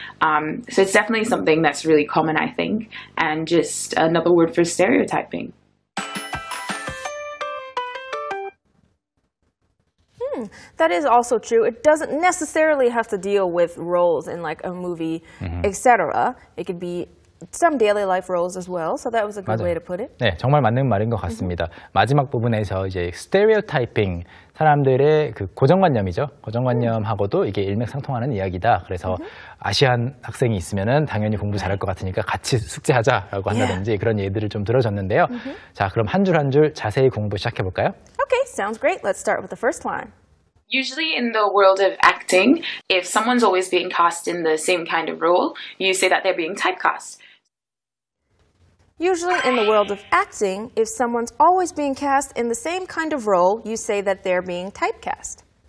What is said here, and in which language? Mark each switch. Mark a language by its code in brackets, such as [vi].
[en] So it's definitely something that's really common, I think, and just another word for stereotyping. That is also true. It doesn't necessarily have to deal with roles in like a movie, mm-hmm. etc. It could be some daily life roles as well. So that was a good [ko] 맞아요. [en] way to put it. [ko] 네, 정말 맞는 말인 것 같습니다. Mm-hmm. 마지막 부분에서 이제 stereotyping, 사람들의 그 고정관념이죠. 고정관념하고도 이게 일맥상통하는 이야기다. 그래서 mm-hmm. 아시안 학생이 있으면은 당연히 공부 잘할 것 같으니까 같이 숙제하자라고 한다든지 yeah. 그런 예들을 좀 들어줬는데요. Mm-hmm. 자, 그럼 한 줄 한 줄 자세히 공부 시작해 볼까요? [en] Okay, sounds great. Let's start with the first one. Usually in the world of acting, if someone's always being cast in the same kind of role, you say that they're being typecast. Usually in the world of acting, if someone's always being cast in the same kind of role, you say that they're being typecast.